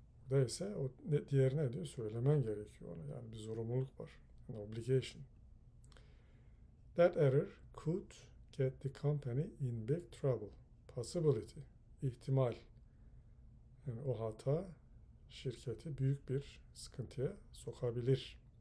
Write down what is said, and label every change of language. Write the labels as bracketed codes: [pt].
[tr] Burada ise o diğerine diyor söylemen gerekiyor ona. Yani bir zorunluluk var. [en] An obligation. That error could get the company in big trouble. Possibility. İhtimal. [tr] Yani o hata şirketi büyük bir sıkıntıya sokabilir.